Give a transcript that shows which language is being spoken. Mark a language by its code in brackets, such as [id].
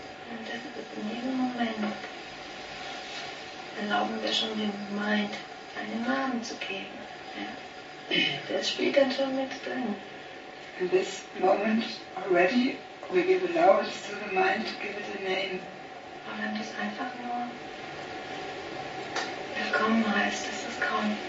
[de] Und das ist in diesem Moment, erlauben wir schon dem Mind einen Namen zu geben. Ja. Das spielt dann schon mit drin. [en] In this moment already, we give allowance to the mind to give it a name. [de] Und wenn das einfach nur willkommen heißt, dass es kommt.